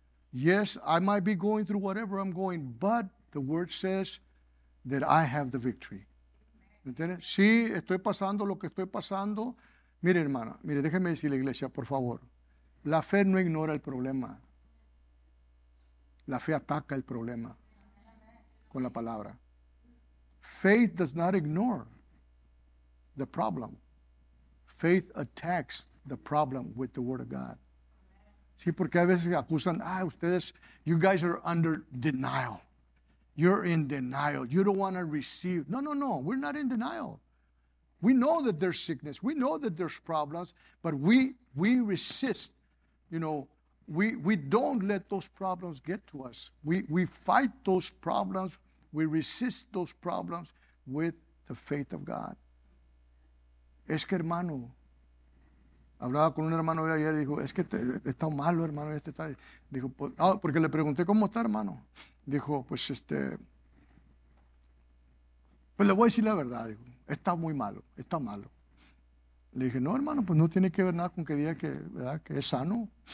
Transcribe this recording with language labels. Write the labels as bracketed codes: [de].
[en] Yes, I might be going through whatever I'm going, but the word says that I have the victory. [es] ¿Me entiendes? Sí, estoy pasando lo que estoy pasando. Mire, hermana, mire, déjeme decirle, iglesia, por favor. La fe no ignora el problema. La fe ataca el problema con la palabra. [en] Faith does not ignore the problem. Faith attacks the problem with the word of God. [es] Sí, porque a veces acusan, ustedes, you guys are under denial. [en] You're in denial. You don't want to receive. No, we're not in denial. We know that there's sickness. We know that there's problems, but we resist, you know, We don't let those problems get to us. We fight those problems. We resist those problems with the faith of God. [es] Es que, hermano, hablaba con un hermano hoy ayer y dijo, es que he estado malo, hermano. Dijo, porque le pregunté, ¿cómo está, hermano? Dijo, pues le voy a decir la verdad. Dijo, está muy malo, está malo. Le dije, no, hermano, pues no tiene que ver nada con que diga que, ¿verdad? Que es sano.